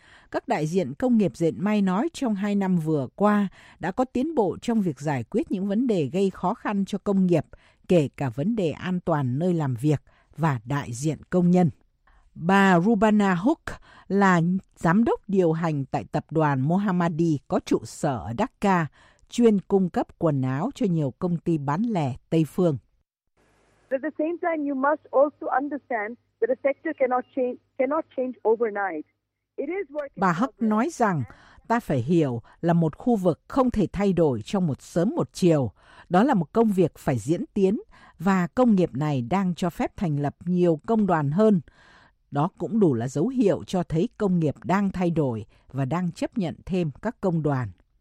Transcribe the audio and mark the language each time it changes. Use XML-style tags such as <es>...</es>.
<vi>Các đại diện công nghiệp dệt may nói trong 2 năm vừa qua đã có tiến bộ trong việc giải quyết những vấn đề gây khó khăn cho công nghiệp, kể cả vấn đề an toàn nơi làm việc và đại diện công nhân. Bà Rubana Hook là giám đốc điều hành tại tập đoàn Mohammadi có trụ sở ở Dhaka, chuyên cung cấp quần áo cho nhiều công ty bán lẻ Tây phương.</vi> <en>But at the same time, you must also understand that the sector cannot change overnight.</en> <vi>Bà Huck nói rằng ta phải hiểu là một khu vực không thể thay đổi trong một sớm một chiều. Đó là một công việc phải diễn tiến và công nghiệp này đang cho phép thành lập nhiều công đoàn hơn. Đó cũng đủ là dấu hiệu cho thấy công nghiệp đang thay đổi và đang chấp nhận thêm các công đoàn.</vi>